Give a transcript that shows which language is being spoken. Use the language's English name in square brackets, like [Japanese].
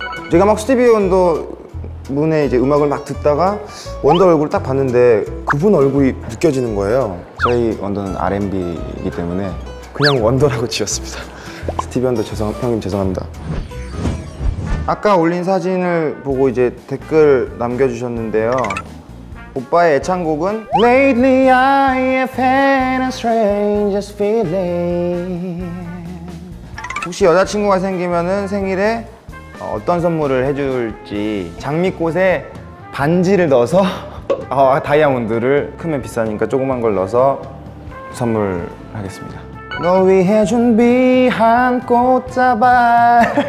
[Korean] 제가 막 스티비 원더 문에 이제 음악을 막 듣다가 원더 얼굴을 딱 봤는데 그분 얼굴이 느껴지는 거예요. 저희 원더는 R&B이기 때문에 그냥 원더라고 지었습니다. 스티비 원더 형님 죄송합니다. 아까 올린 사진을 보고 이제 댓글 남겨주셨는데요. 오빠의 애창곡은 [English] Lately I have had a strangest feeling. [Korean] 혹시 여자친구가 생기면은 생일에 어떤 선물을 해줄지 장미꽃에 반지를 넣어서 다이아몬드를 크면 비싸니까 조그만 걸 넣어서 선물하겠습니다. 너 위해 준비한 꽃다발.